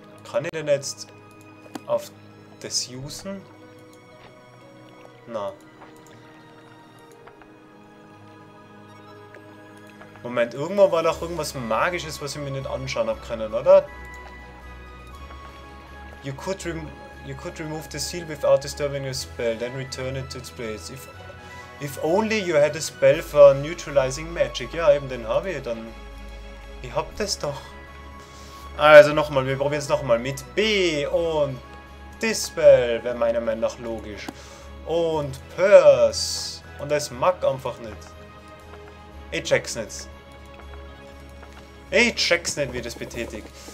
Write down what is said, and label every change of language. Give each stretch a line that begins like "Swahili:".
German: Kann ich denn jetzt auf das usen? Na. Moment, irgendwo war noch irgendwas Magisches, was ich mir nicht anschauen habe können, oder?
English: You could remove the seal without disturbing your spell, then return it to its place. If only you had a spell for neutralizing magic.
German: Ja, eben, den habe ich dann. Ich hab das doch. Also nochmal, wir probieren es nochmal mit B und Dispel, wäre meiner Meinung nach logisch. Und Purse. Und das mag einfach nicht. Ich check's nicht, wie das betätigt.